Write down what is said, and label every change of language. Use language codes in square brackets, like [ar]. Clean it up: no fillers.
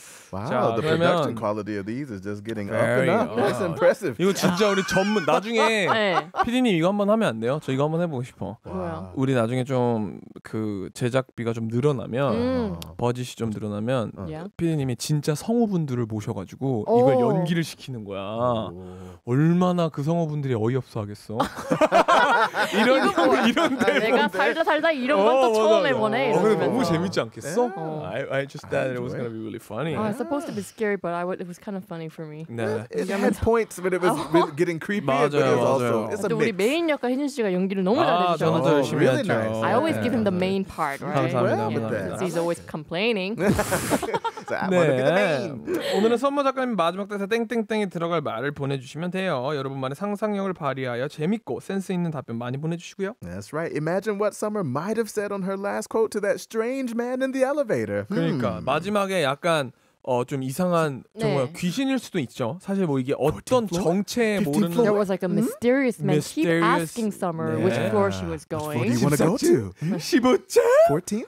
[en] 와우, the production quality of these is just getting up and up. That's impressive. [ko] 이거 진짜 우리 전문, 나중에 PD님 이거 한번 하면 안 돼요? 저 이거 한번 해보고 싶어. 우리 나중에 좀 그 제작비가 좀 늘어나면, 버짓이 좀 늘어나면 PD님이 진짜 성우분들을 모셔가지고 이걸 연기를 시키는 거야. 얼마나 그 성우분들이 어이없어 하겠어. 이런 거 이런 데 내가 살다 살다 이런 것도 처음 해보네. 너무 재밌지 않겠어? [en] I just thought it was gonna be really funny. It's supposed to be scary, but it was kind of funny for me. It had points, but it was getting creepy. [ko] 맞아요, [en] but it was also it's a mix. [ko] 우리 메인 역할 희준 씨가 연기를 너무 잘해주셔. 저는 더 열심히 했죠. [en] I always give him the main part, right? [ko] 감사합니다. [en] Because he's always complaining. So I wanna be the main. [ko] 오늘은 선모 작가님 마지막 대사 땡땡땡이 들어갈 말을 보내주시면 돼요. 여러분만의 상상력을 발휘하여 재밌고 센스 있는 답변 많이 보내주시고요. [en] That's right. Imagine what Summer might have said on her last quote to that strange man in the elevator. [ko] 그러니까 마지막에 약간 좀 이상한 정말 귀신일 수도 있죠. 사실 뭐 이게 어떤 정체 모르는 [en] There was like a mysterious man mysterious. keep asking Summer yeah. which floor she was going. Which floor do you want to go to?